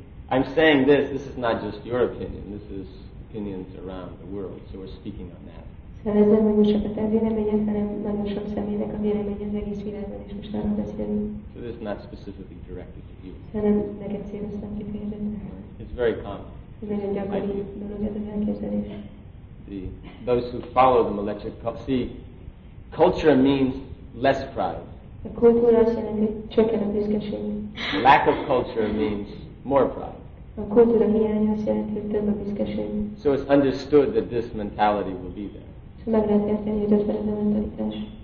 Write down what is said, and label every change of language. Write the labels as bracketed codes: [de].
[en] I'm saying this is not just your opinion, this is opinions around the world, so we're speaking on that. [hu] Szerintem nem csak a te véleményed, hanem nagyon sok személynek a vélemény az egész világban, és most arról beszélünk. [en] So this is not specifically directed to you. [hu] Szerintem neked szíveztem kifejezetten. [en] It's very common. [hu] Ez nagyon gyakori dolog ez az elképzelés. [en] Those who follow the Malecha culture, see, culture means less pride. [hu] A kultúra azt jelenti, hogy csökken a büszkeség. [en] Lack of culture means more pride. [hu] A kultúra hiánya azt jelenti, hogy több a büszkeség. [en] So it's understood that this mentality will be there. [hu] So meg lehet érteni, hogy ez lesz a mentalitás.